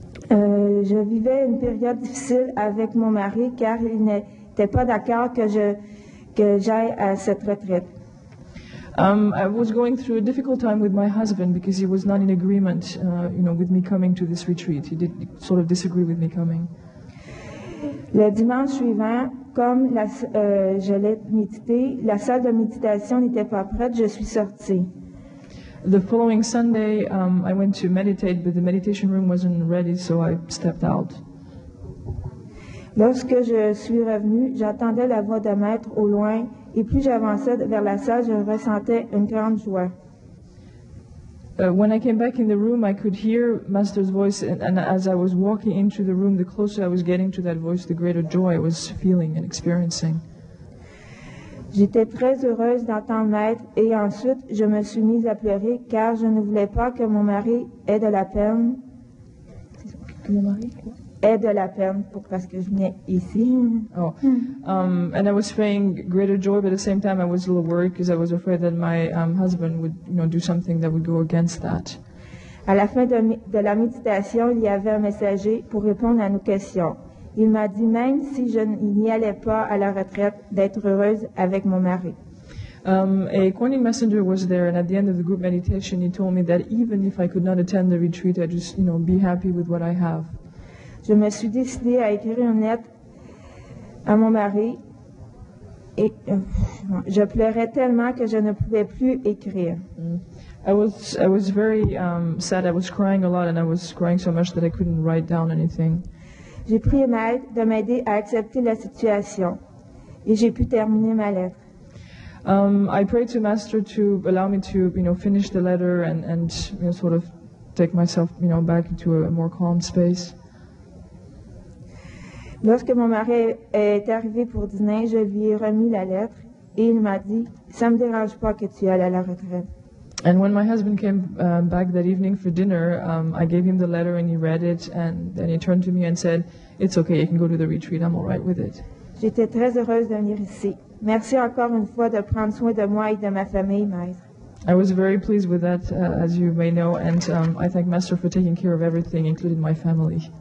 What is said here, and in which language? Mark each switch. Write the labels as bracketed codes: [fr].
[fr] Je vivais une période difficile avec mon mari car il n'était pas d'accord que j'aille à cette retraite. [en] I was going through a difficult time with my husband because he was not in agreement, with me coming to this retreat. He did sort of disagree with me coming. [fr] Le dimanche suivant, comme je l'ai médité, la salle de méditation n'était pas prête, je suis sortie. [en] The following Sunday, I went to meditate, but the meditation room wasn't ready, so I stepped out. [fr] Lorsque je suis revenue, j'attendais la voix de maître au loin. Et plus j'avançais vers la salle, je ressentais une grande joie. [en] When I came back in the room, I could hear Master's voice, and as I was walking into the room, the closer I was getting to that voice, the greater joy I was feeling and experiencing. [fr] J'étais très heureuse d'entendre Maître, et ensuite je me suis mise à pleurer, car je ne voulais pas que mon mari ait de la peine. Que mon mari? Est de la peine pour parce que je venais ici. [en] Oh, and I was feeling greater joy, but at the same time I was a little worried because I was afraid that my husband would, do something that would go against that. [fr] À la fin de la méditation, il y avait un messager pour répondre à nos questions. Il m'a dit même si je n'y allais pas à la retraite d'être heureuse avec mon mari. [en] A Kuan Yin messenger was there, and at the end of the group meditation, he told me that even if I could not attend the retreat, I'd just, be happy with what I have. [fr] Je me suis décidée à écrire une lettre à mon mari et je pleurais tellement que je ne pouvais plus écrire. [en] I was very sad. I was crying a lot and I was crying so much that I couldn't write down anything. [fr] J'ai prié Maître de m'aider à accepter la situation et j'ai pu terminer ma lettre. [en] I prayed to Master to allow me to, finish the letter and sort of take myself, back into a more calm space. [fr] Lorsque mon mari est arrivé pour dîner, je lui ai remis la lettre et il m'a dit, ça me dérange pas que tu ailles à la retraite. [en] And when my husband came back that evening for dinner, I gave him the letter and he read it and then he turned to me and said, it's okay, you can go to the retreat, I'm all right with it. [fr] J'étais très heureuse de venir ici. Merci encore une fois de prendre soin de moi et de ma famille, Maître. [en] I was very pleased with that, as you may know, and I thank Master for taking care of everything, including my family.